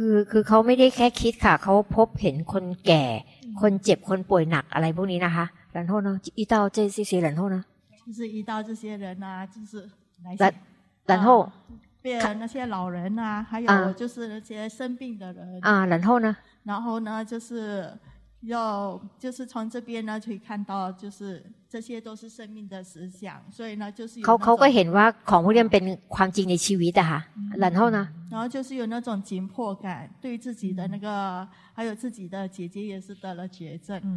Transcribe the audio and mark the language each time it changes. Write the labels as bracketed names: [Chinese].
[Thai] คือเขาไม่ได้แค่คิดค่ะเขาพบเห็นคนแก่คนเจ็บคนป่วยหนักอะไรพวกนี้นะคะแล้วโทษนะอีตาวเจ้ซีแล้วโทษนะ คือ [Chinese] 遇到这些人啊就是然后变成那些老人啊还有就是那些生病的人啊然后呢就是要就是从这边呢可以看到就是这些都是生命的实相所以呢就是 [Thai] เขาก็เห็นว่าของพวกนี้เป็นความจริงในชีวิตอะค่ะแล้ว นะแล้ว [Chinese] 就是有那种紧迫感对自己的那个还有自己的姐姐也是得了绝症